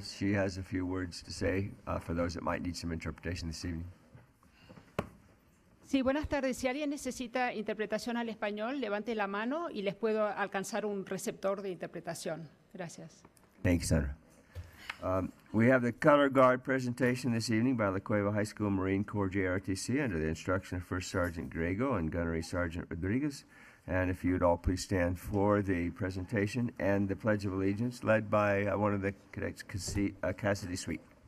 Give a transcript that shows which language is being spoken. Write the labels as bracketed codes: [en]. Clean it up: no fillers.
[en] She has a few words to say for those that might need some interpretation this evening. [es] Sí, buenas tardes. Si alguien necesita interpretación al español, levante la mano y les puedo alcanzar un receptor de interpretación. Gracias. [en] Thanks, Sandra. We have the color guard presentation this evening by La Cueva High School Marine Corps JRTC under the instruction of First Sergeant Grego and Gunnery Sergeant Rodriguez. And if you'd all please stand for the presentation and the Pledge of Allegiance led by one of the cadets, Cassidy Sweet.